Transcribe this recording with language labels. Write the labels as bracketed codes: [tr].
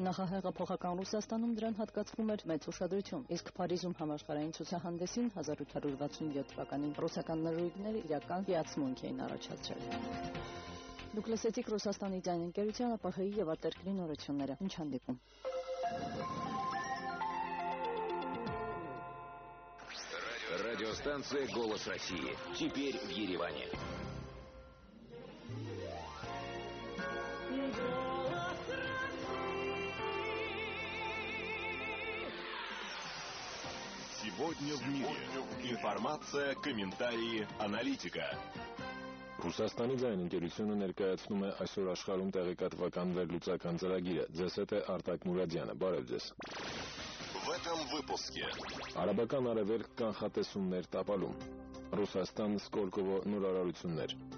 [hy] Նախահեղափոխական Ռուսաստանում դրան հատկացվում էր մեծ ուշադրություն, իսկ Փարիզում համաշխարհային ցուցահանդեսին 1867 թվականին ռուսական նժույգները իրական հիացմունք էին առաջացրել։ Դուք լսեցիք Ռուսաստանի ձայն ընկերության ԱՊՀ-ի և արտերկրի նորությունները։ Ինչ հանդիպում։ [ru] Ռադիոստանցիա «Голос России» теперь в Ереване. Сегодня в мире информация, комментарии, аналитика. [hy] Ռուսաստանի ձայն ընկերությունը ներկայացնում է այսօր աշխարհում տեղեկատվական վերլուծական ծրագիրը։ Ձեզ հետ է Արտակ Մուրադյանը, բարև ձեզ։ [ru] В этом выпуске. [hy] Արաբական արևելք կանխատեսումներ տապալում։ Ռուսաստան Սկոլկովո նորարարություններ։